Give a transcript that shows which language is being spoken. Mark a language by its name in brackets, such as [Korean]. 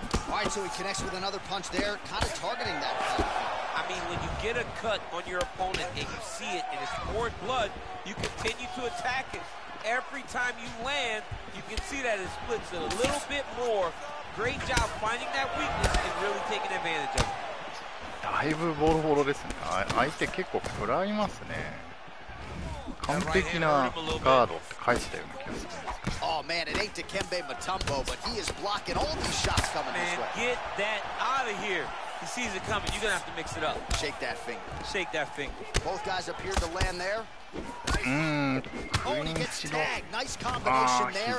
[English] All right, so he connects with another punch there. Kind of targeting that. I mean, when you get a cut on your opponent and you see it and it's pouring blood, you continue to attack it. Every time you land, you can see that it splits it a little bit more. Great job finding that weakness and really taking advantage of it. [Japanese] だいぶボロボロですね。相手結構食らいますね。完璧なガードって返したような気がする。 [English] Oh man, it ain't Dikembe Mutombo, but he is blocking all these shots coming man, this way. Man, get that out of here. He sees it coming. You're gonna have to mix it up. Shake that finger. Shake that finger. Both guys appear to land there. Oh, and he gets tagged. Nice combination there.